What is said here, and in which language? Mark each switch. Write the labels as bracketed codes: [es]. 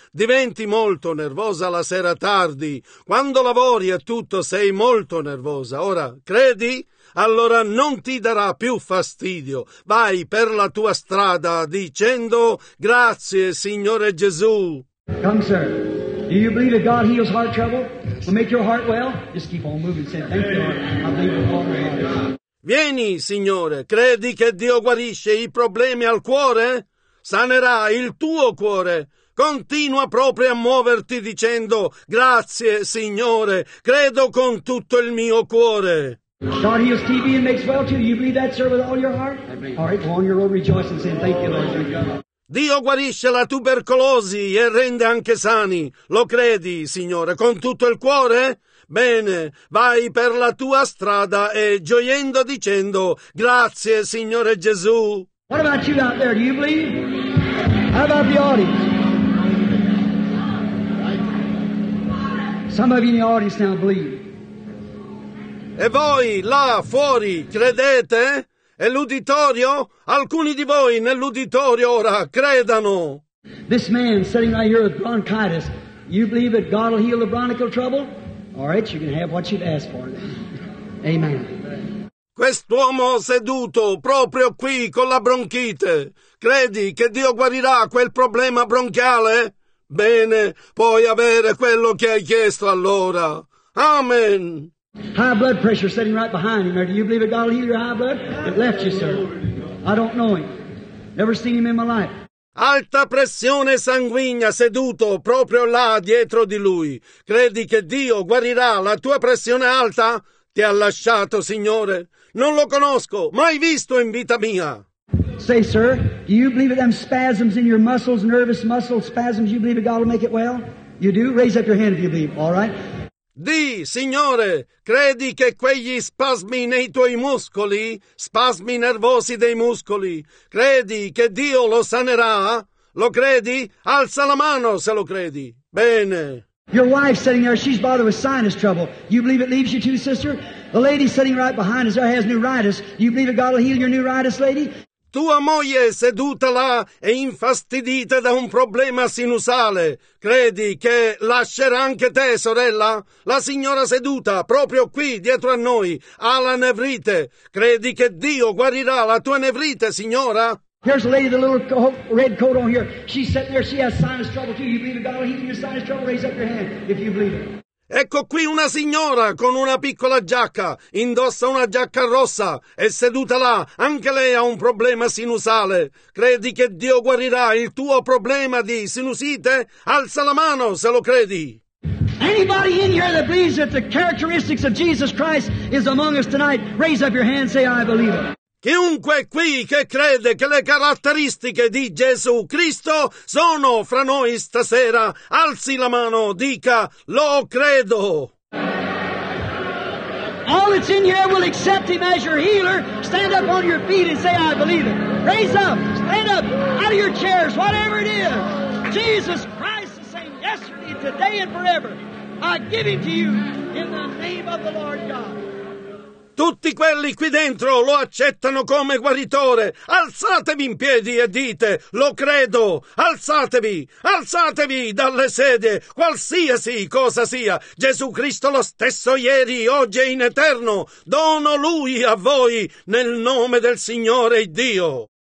[it] Diventi molto nervosa la sera tardi. Quando lavori e tutto, sei molto nervosa. Ora, credi? Allora non ti darà più fastidio. Vai per la tua strada dicendo grazie, Signore Gesù. [en] Come, sir. Do you believe that God heals heart trouble? Will make your heart well? Just keep on moving. Say, thank you, Lord. I believe with all my heart. [it] Vieni, Signore, credi che Dio guarisce i problemi al cuore? Sanerà il tuo cuore. Continua proprio a muoverti dicendo, grazie, Signore, credo con tutto il mio cuore. [en] God heals TB and makes well too. You believe that, sir, with all your heart? All right, go on your road rejoicing, saying thank you, Lord. [it] Dio guarisce la tubercolosi e rende anche sani. Lo credi, Signore, con tutto il cuore? Bene, vai per la tua strada e gioiendo dicendo grazie, Signore Gesù. [en] What about you out there? Do you believe? How about the audience? Some of you in the audience now believe. [it] E voi là fuori credete? E l'uditorio? Alcuni di voi nell'uditorio ora credano. [en] This man sitting right here with bronchitis, you believe that God will heal the bronchial trouble? All right, you can have what you've asked for. Amen. [it] Quest'uomo seduto proprio qui con la bronchite, credi che Dio guarirà quel problema bronchiale? Bene, puoi avere quello che hai chiesto allora. Amen. [en] High blood pressure sitting right behind him. Do you believe that God will heal your high blood? It left you, sir. I don't know him. Never seen him in my life. [it] Alta pressione sanguigna seduto proprio là dietro di lui. Credi che Dio guarirà la tua pressione alta? Ti ha lasciato, Signore. Non lo conosco, mai visto in vita mia. [en] Say, sir, do you believe that them spasms in your muscles, nervous muscles, spasms, you believe that God will make it well? You do? Raise up your hand if you believe, all right? [it] Di, Signore, credi che quegli spasmi nei tuoi muscoli, spasmi nervosi dei muscoli, credi che Dio lo sanerà? Lo credi? Alza la mano se lo credi. Bene. [en] Your wife sitting there, she's bothered with sinus trouble. You believe it leaves you too, sister? The lady sitting right behind us there has neuritis. You believe that God will heal your neuritis, lady? [it] Tua moglie seduta là è infastidita da un problema sinusale. Credi che lascerà anche te, sorella? La signora seduta, proprio qui, dietro a noi, ha la nevrite. Credi che Dio guarirà la tua nevrite, signora? [en] Here's a lady with a little red coat on here. She's sitting there. She has sinus trouble too. You believe in God will heal your sinus trouble? Raise up your hand if you believe it. [it] Ecco qui una signora con una piccola giacca, indossa una giacca rossa, è seduta là, anche lei ha un problema sinusale. Credi che Dio guarirà il tuo problema di sinusite? Alza la mano se lo credi. [en] Anybody in here that believes that the characteristics of Jesus Christ is among us tonight, raise up your hand and say, I believe it. [it] Chiunque qui che crede che le caratteristiche di Gesù Cristo sono fra noi stasera, alzi la mano, dica, lo credo. [en] All that's in here will accept him as your healer. Stand up on your feet and say, I believe it. Raise up, stand up, out of your chairs, whatever it is. Jesus Christ is saying yesterday, today and forever. I give him to you in the name of the Lord God. [it] Tutti quelli qui dentro lo accettano come guaritore. Alzatevi in piedi e dite, lo credo. Alzatevi, alzatevi dalle sedie, qualsiasi cosa sia. Gesù Cristo lo stesso ieri, oggi e in eterno. Dono Lui a voi nel nome del Signore Dio.